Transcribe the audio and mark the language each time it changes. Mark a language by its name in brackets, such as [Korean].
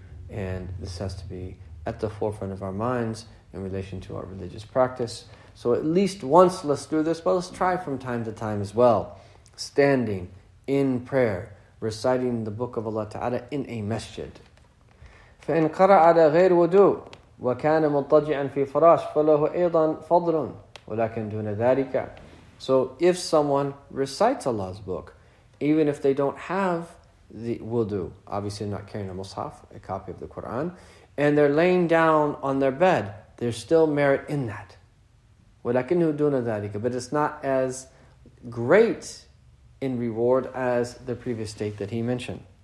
[English] And this has to be at the forefront of our minds in relation to our religious practice. So at least once let's do this, but let's try from time to time as well, standing in prayer, reciting the book of Allah Ta'ala in a masjid. [Arabic] فإن قرأ على غير وضوء وكان مضطجعا في فراش فله أيضا فضل ولكن دون ذلك. [English] So if someone recites Allah's book, even if they don't have the wudu, obviously not carrying a mushaf, a copy of the Quran, and they're laying down on their bed, there's still merit in that. [Arabic] ولكن دون ذلك. [English] But it's not as great in reward as the previous state that he mentioned.